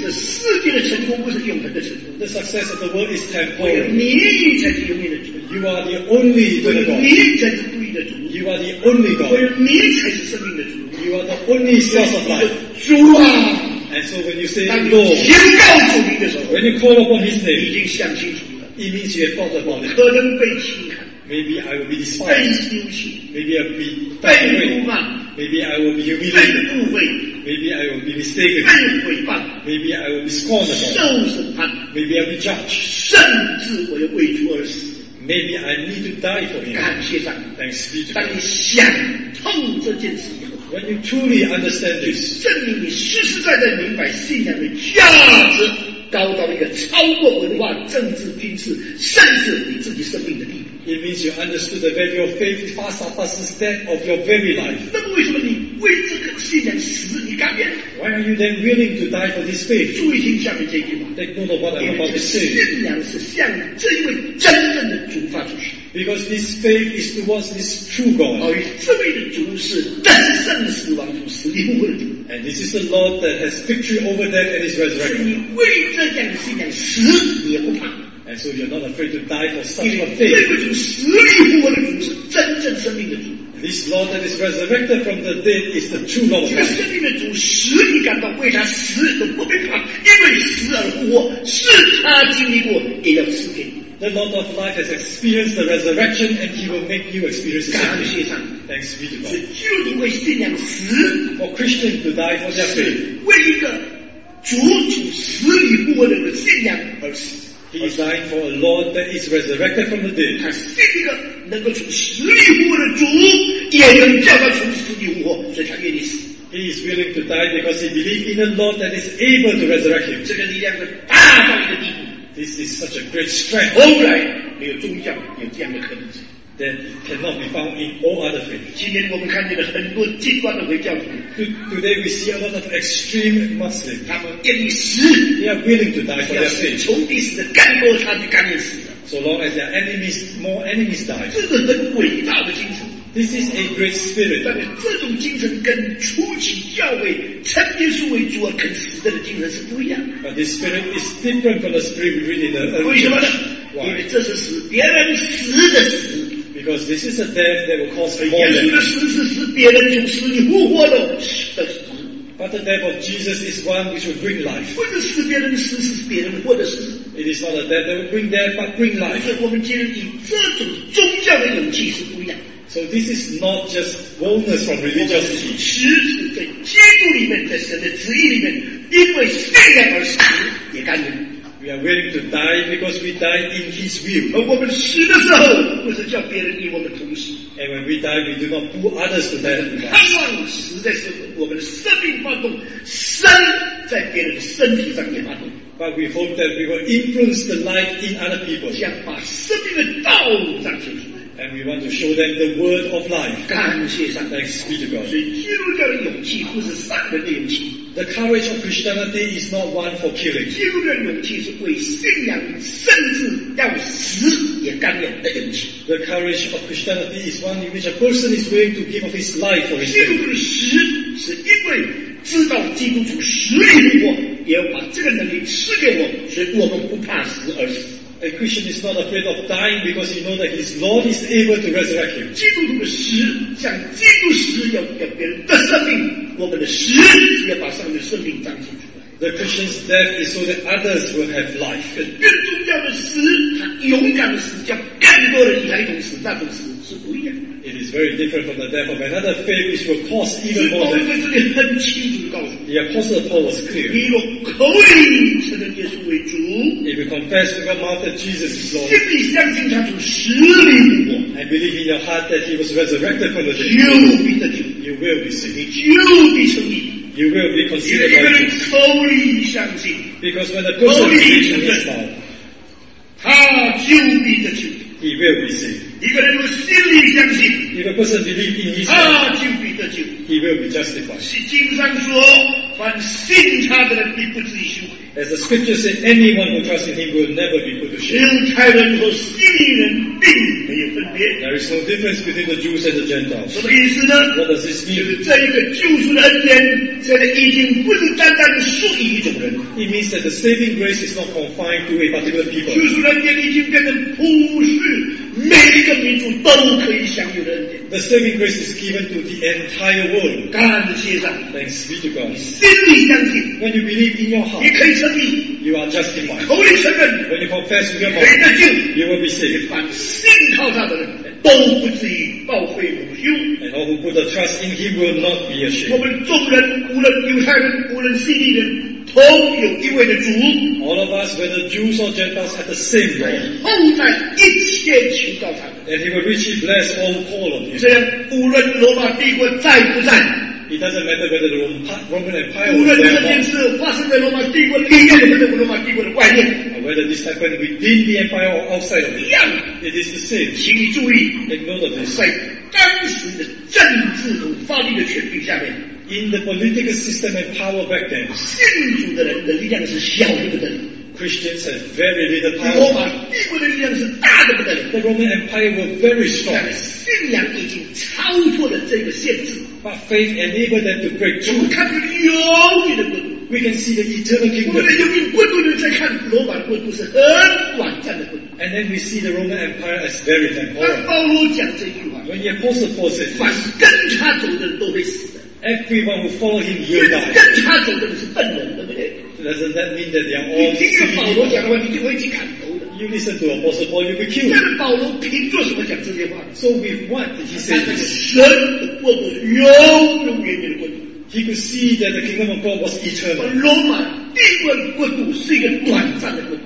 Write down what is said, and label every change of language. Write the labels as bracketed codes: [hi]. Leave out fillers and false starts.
[zh] 这世界的成功不是永恒的成功。 [en] The success of the world is temporary. [zh] 你才是永远的主。 [en] You are the only God. [zh] 你才是独一的主。 [en] You are the only God. [zh] 你才是生命的主。 [en] You are the only source of life. [zh] 主啊。 [en] And so when you say, [zh] 当你宣告主名的时候 [en] ，When you call upon His name, [zh] 已经想清楚了。 [en] It means you have thought about it. [zh] 可能被轻看。 [en] Maybe I will be despised. [zh] 被丢弃。 [en] Maybe I will be disappointed. Maybe I will be humiliated. [zh] 被误会。 [en] Maybe I will be mistaken. [zh] 被毁谤。 [en] Maybe I will be scorned. [zh] 受审判。 [en] Maybe I will be judged. [zh] 甚至我要为主而死。 [en] Maybe I need to die for Him. [zh] 感谢上帝。 [en] Thanks be to God. [zh] 当你想通这件事以后 [en] ，When you truly understand this, [zh] 证明你实实在在明白信仰的价值高到一个超过文化、政治、军事，甚至你自己生命的地步。 [en] It means you understood the value of faith far surpasses that of your very life. [zh] 那么为什么你为这个信仰死你甘愿？ [en] Why are you then willing to die for this faith? [zh] 注意听下面这句话。 [en] Take note of what I'm about to say. [zh] 信仰是向这一位真正的主发出去。 [en] Because this faith is towards this true God. [zh] 而这位的主是战胜死亡主，死里复活的主。 [en] And this is the Lord that has victory over death and is resurrected. [zh] 所以你为这样的信仰死你也不怕。 [en] And so you're not afraid to die for such a faith. This Lord that is resurrected from the dead is the true Lord of life. The Lord of life has experienced the resurrection and He will make you experience the same thing. Thanks be to God. For Christians to die for their faith. He is dying for a Lord that is resurrected from the dead. [zh] 他信一个能够从死里复活的主，也能叫他从死里复活，所以他愿意死。 [en] He is willing to die because he believes in a Lord that is able to resurrect him. [zh] 这个力量是大到一个地步。 [en] This is such a great strength. [zh] 后来没有宗教有这样的可能性。 [en] Then it cannot be found in all other faiths. [zh] 今天我们看见了很多极端的回教徒。 [en] Today we see a lot of extreme Muslims. [zh] 他们愿意死。 [en] They are willing to die for their faith. [zh] 仇敌死的甘多他就甘愿死。 [en] So long as their enemies, more enemies die. [zh] 这是很伟大的精神。 [en] This is a great spirit. [zh] 但是这种精神跟初期教会称耶稣为主而肯死的精神是不一样的。 [en] But this spirit is different from the spirit we read in the early church. [zh] 为什么呢？因为这是使别人死的死。 [en] Because this is a death that will cause fallen. [zh] 耶稣的死是使别人从死里复活的死。 [en] But the death of Jesus is one which will bring life. [zh] 不是使别人死是别人活的死。 [en] It is not a death that will bring death but bring life. [zh] 所以我们今天以这种宗教的勇气是不一样的。 [en] So this is not just boldness from religious people. [zh] 死是在基督里面，在神的旨意里面，因为圣灵而死，也甘愿。 [en] We are willing to die because we die in His will. [zh] 而我们死的时候，不是叫别人与我们同死。 [en] And when we die, we do not pull others to death. [zh] 盼望死的时候，我们的生命发动，身在别人的身体上也发动。 [en] But we hope that we will influence the life in other people. [zh] 想把生命的道路彰显出来。 [en] And we want to show them the word of life. [zh] 感谢上帝。 [en] Thanks be to God. [zh] 所以基督教的勇气不是杀人的勇气。 [en] The courage of Christianity is not one for killing. [zh] 基督教的勇气是为信仰甚至要死也甘愿的勇气。 [en] The courage of Christianity is one in which a person is willing to give up his life for his faith. [zh] 基督的死是因为知道基督从死里复活，也把这个能力赐给我，所以我们不怕死而死。 [en] A Christian is not afraid of dying because he knows that his Lord is able to resurrect him. [zh] 基督徒的死，像基督死要别人的生命，我们的死是要把上帝的生命彰显出来。 [en] The Christian's death is so that others will have life. [zh] 更重要的死，他勇敢的死，叫更多的人来同死，那种死是不一样。 [en] It is very different from the death of another faith which will cause even more death. [zh] 所以保罗在这里很清楚地告诉你。 [en] The Apostle Paul was clear. [zh] 你用口里承认耶稣为主。 [en] If you confess with your mouth that Jesus is Lord. [zh] 心里相信他从死里复活。 [en] And believe in your heart that he was resurrected from the dead. [zh] 就必得救。 [en] You will be saved. [zh] 就必称义。 [en] You will be considered righteous. [zh] 因为口里相信。 [en] Because when the person believes in his mouth. [zh] 他就必得救。 [en] He will be saved. [zh] 一个人用心里相信，一个 [en] person believe in his heart, [zh] 他就必得救。 [en] He will be justified. [zh] 是经上说，凡信他的人必不至于羞愧。 [en] As the scripture said, anyone who trusts in him will never be put to shame. [zh] 犹太人和希腊人并没有分别。 [en] There is no difference between the Jews and the Gentiles. [zh] 什么意思呢？ [en] What does this mean? [zh] 就是这一个救赎的恩典，现在已经不是单单属于一种人。 [en] It means that the saving grace is not confined to a particular people. [zh] 救赎的恩典已经变成普世。每一个民族都可以享有的恩典。 [en] The saving grace is given to the entire world. [zh] 感谢上帝。 [en] Thanks be to God. [zh] 心里相信。 [en] When you believe in your heart, [zh] 你可以称义。 [en] You are justified. [zh] 口里承认。 [en] When you confess with your mouth, [zh] 可以得救。 [en] You will be saved. [zh] 凡信靠他的人都不至于报废蒙羞。 [en] And all who put their trust in him will not be ashamed. [zh] 我们众人，无论犹太人，无论希腊人。同有一位的主 [en] All of us, whether Jews or Gentiles, have the same Lord. [zh] 后代一切求告他们 [en] And he will richly bless all who call on him. [zh] 这样，无论罗马帝国在不在 [en] It doesn't matter whether the Roman Empire [zh] 无论这件事发生在罗马帝国里面或者罗马帝国的外面 [en] Or whether this happened within the empire or outside of it. [zh] 一样 [en] It is the same. [zh] 请你注意 [en] And know that this. [zh] 在当时的政治和法律的权柄下面 [en] In the political system and power back then, [zh] 信主的人的力量是小的不得了。 [en] Christians had very little power. [zh] 罗马帝国的力量是大的不得了。 [en] The Roman Empire were very strong. [zh] 但信仰已经超脱了这个限制。 [en] But faith enabled them to break through. [zh] 我们看这个永远的国度。 [en] We can see the eternal kingdom. [zh] 我们的永远国度呢，在看罗马的国度是很短暂的国度。 [en] And then we see the Roman Empire as very temporal. [zh] 当保罗讲这句话 [en] ，When the Apostle Paul said, [zh] 凡跟他走的人都会死。 [en] Everyone who follow him will die. [zh] 跟他走的人是笨人，对不对 [en] ？Doesn't that mean that they are all? [zh] 你听着保罗讲的话，你就会去砍头的。 [en] You listen to Apostle Paul, you'll be killed. [zh] 但保罗凭着什么讲这些话 [en] ？So with what did he say? [zh] 他看到神的国度永永远远的国度。 [en] He could see that the kingdom of God was eternal. [zh] 罗马帝国的国度是一个短暂的国度。